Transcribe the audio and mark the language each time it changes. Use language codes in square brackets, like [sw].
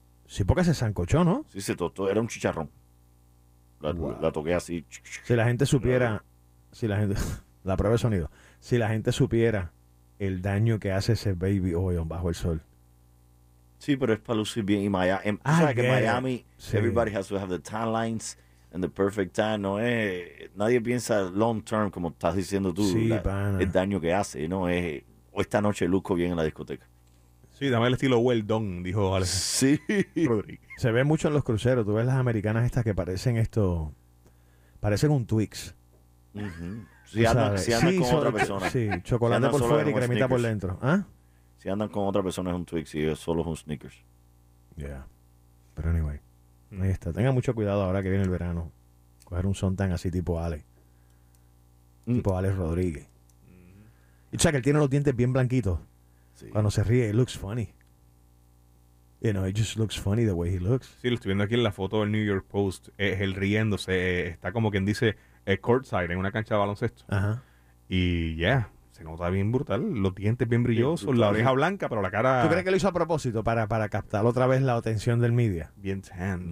[es] Sí, porque se sancochó, ¿no? Sí, se tostó. Era un chicharrón. La toqué así. Si la gente supiera... Si la gente... La prueba de sonido. Si la gente supiera el daño que hace ese baby oil bajo el sol. Sí, pero es para lucir bien. Y Miami... Miami, sí. [en] Everybody has to have the tan lines and the perfect tan. [es] No es... Nadie piensa [en] long term, [es] como estás diciendo tú. Sí, el daño que hace, ¿no? Es... O esta noche luzco bien en la discoteca. Sí, dame el estilo [en] well done, [es] dijo Alex. Sí. Rodríguez. Se ve mucho en los cruceros. Tú ves las americanas estas que parecen esto... Parecen un Twix. Uh-huh. Si andan con otra persona. Sí, chocolate por fuera y cremita por dentro. ¿Ah? Si andan con otra persona es un Twix y es solo un Snickers. Yeah. Pero anyway, ahí está. Tenga mucho cuidado ahora que viene el verano. Coger un suntan así tipo Alex. Tipo Alex Rodríguez. O sea, que él tiene los dientes bien blanquitos. Sí. Cuando se ríe, [en] it looks funny. You know, it just looks funny the way he looks. [es] Sí, lo estoy viendo aquí en la foto del New York Post. Es él riéndose. Está como quien dice, courtside, en una cancha de baloncesto. Ajá. Y ya, yeah, se nota bien brutal. Los dientes bien brillosos, la oreja blanca, pero la cara... ¿Tú crees que lo hizo a propósito para captar otra vez la atención del media? Bien tan.